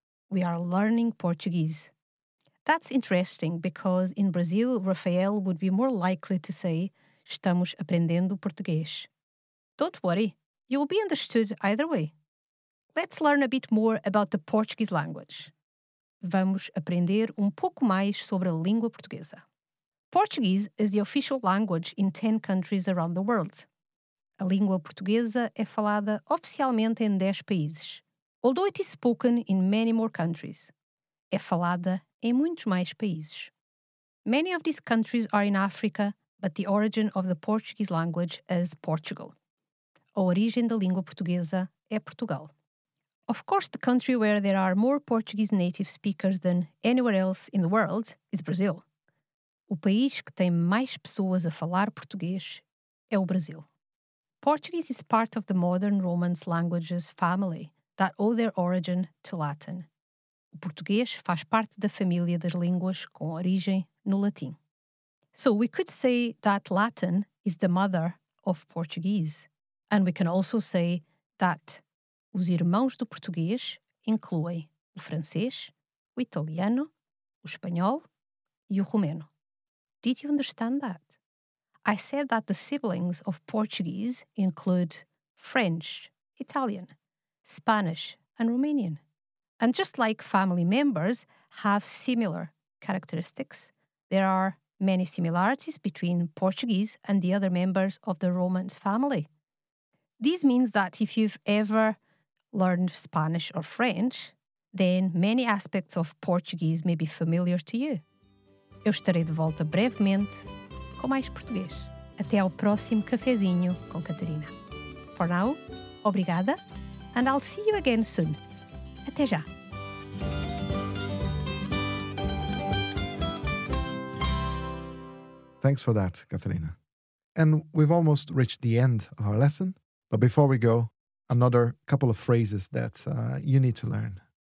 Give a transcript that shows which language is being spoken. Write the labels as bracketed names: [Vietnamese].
[English] We are learning Portuguese. That's interesting because in Brazil, Rafael would be more likely to say, [Portuguese] estamos aprendendo português. [English] Don't worry, you'll be understood either way. Let's learn a bit more about the Portuguese language. [Portuguese] Vamos aprender pouco mais sobre a língua portuguesa. [English] Portuguese is the official language in 10 countries around the world. [Portuguese] A língua portuguesa é falada oficialmente em 10 países, [English] although it is spoken in many more countries. [Portuguese] É falada em muitos mais países. [English] Many of these countries are in Africa, but the origin of the Portuguese language is Portugal. [Portuguese] A origem da língua portuguesa é Portugal. [English] Of course, the country where there are more Portuguese native speakers than anywhere else in the world is Brazil. [Portuguese] O país que tem mais pessoas a falar português é o Brasil. [English] Portuguese is part of the modern Romance languages family that owe their origin to Latin. [Portuguese] O português faz parte da família das línguas com origem no latim. [English] So we could say that Latin is the mother of Portuguese. And we can also say that [Portuguese] os irmãos do português incluem o francês, o italiano, o espanhol e o romeno. [English] Did you understand that? I said that the siblings of Portuguese include French, Italian, Spanish and Romanian. And just like family members have similar characteristics, there are many similarities between Portuguese and the other members of the Romance family. This means that if you've ever learned Spanish or French, then many aspects of Portuguese may be familiar to you. [Portuguese] Eu estarei de volta brevemente com mais português. Até ao próximo cafezinho com Catarina. [English] For now, obrigada, and I'll see you again soon. [Portuguese] Até já! [English] Thanks for that, Catarina. And we've almost reached the end of our lesson. But before we go, another couple of phrases that you need to learn.